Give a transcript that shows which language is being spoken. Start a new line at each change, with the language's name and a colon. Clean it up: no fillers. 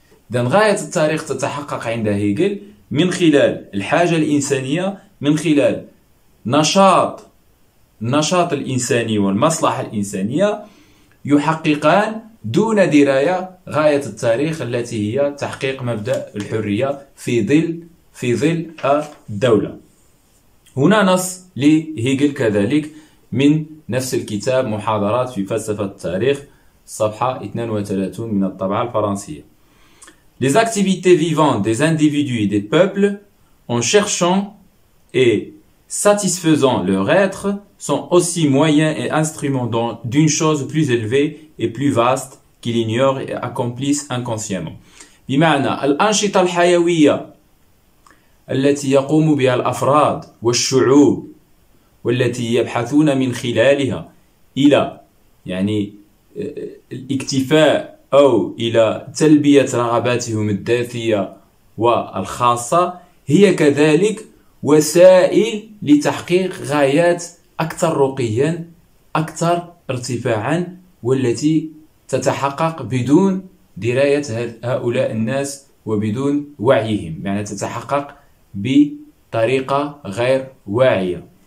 Arabic: إذن غاية التاريخ تتحقق عند هيجل من خلال الحاجة الإنسانية، من خلال نشاط الإنساني والمصلحة الإنسانية يحققان دون دراية غاية التاريخ التي هي تحقيق مبدأ الحرية في ظل الدولة. هنا نص لهيجل كذلك من نفس الكتاب محاضرات في فلسفة التاريخ، صفحة 32 من الطبعة الفرنسية.
French: Les activités vivantes des individus et des peuples, en cherchant et satisfaisant leur être, sont aussi moyens et instruments d'une chose plus élevée et plus vaste qu'ils ignorent et accomplissent inconsciemment.
Arabic: بمعنى الأنشطة الحيوية التي يقوم بها الأفراد والشعوب والتي يبحثون من خلالها إلى يعني الاكتفاء أو إلى تلبية رغباتهم الذاتية والخاصة، هي كذلك وسائل لتحقيق غايات أكثر رقيا أكثر ارتفاعا والتي تتحقق بدون دراية هؤلاء الناس وبدون وعيهم، يعني تتحقق بطريقة غير واعية،